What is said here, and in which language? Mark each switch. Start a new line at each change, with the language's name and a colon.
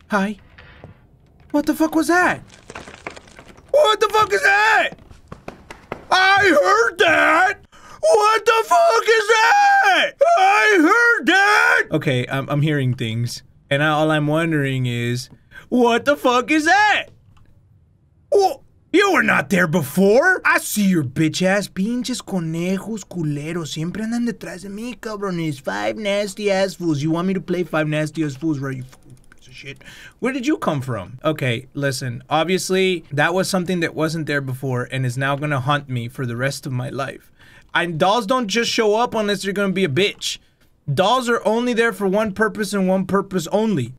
English: Hi. What the fuck was that? What the fuck is that? I heard that! What the fuck is that? I heard that! Okay, I'm hearing things. And all I'm wondering is, what the fuck is that? Well, you were not there before! I see your bitch ass.
Spanish: Pinches conejos culeros siempre andan detrás de mí, cabrones.
English: Five nasty ass fools. You want me to play five nasty ass fools, right? You shit. Where did you come from? Okay, listen. Obviously, that was something that wasn't there before and is now gonna haunt me for the rest of my life. And dolls don't just show up unless you're gonna be a bitch. Dolls are only there for one purpose and one purpose only.